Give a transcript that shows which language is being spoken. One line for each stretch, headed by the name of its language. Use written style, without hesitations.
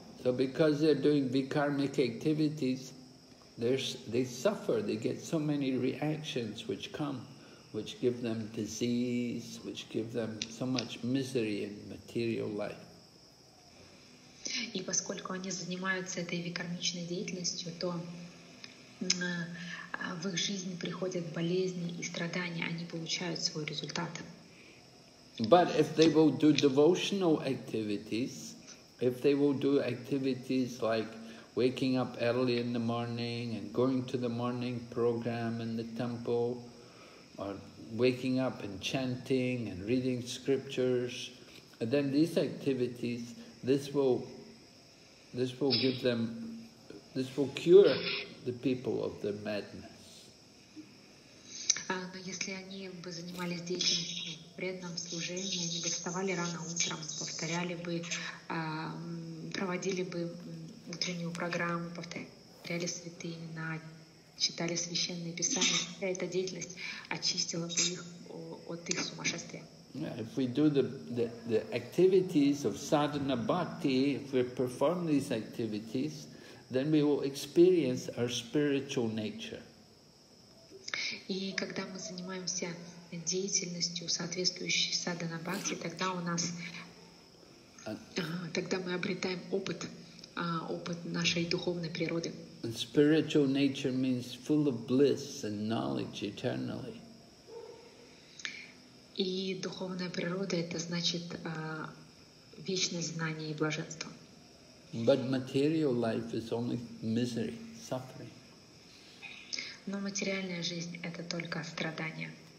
English: So because they're doing vikarmic activities, they suffer. They get so many reactions which come, which give them disease, which give them so much misery in material life.
Russian: И поскольку они занимаются этой викармичной деятельностью, то в их жизни приходят болезни и страдания, они получают свой результат.
English: But if they will do devotional activities, if they will do activities like waking up early in the morning and going to the morning program in the temple, or waking up and chanting and reading scriptures, and then these activities, this will give them, this will cure the people of their madness.
Russian: Но если они бы занимались деятельностью в преданном служении, они бы вставали рано утром, повторяли бы, проводили бы утреннюю программу, повторяли святые имена, читали священные писания, вся эта деятельность очистила бы их от их сумасшествия.
English: If we do the activities of sadhana bhakti, if we perform these activities, then we will experience our spiritual nature.
Russian: И когда мы занимаемся деятельностью, соответствующей садхана бхакти, тогда у нас, тогда мы обретаем опыт, опыт нашей духовной природы.
English: And spiritual nature means full of bliss and knowledge eternally.
Russian: И духовная природа — это значит вечное знание и блаженство.
English: But material life is only misery, suffering.
Russian: Но материальная жизнь — это только страдания.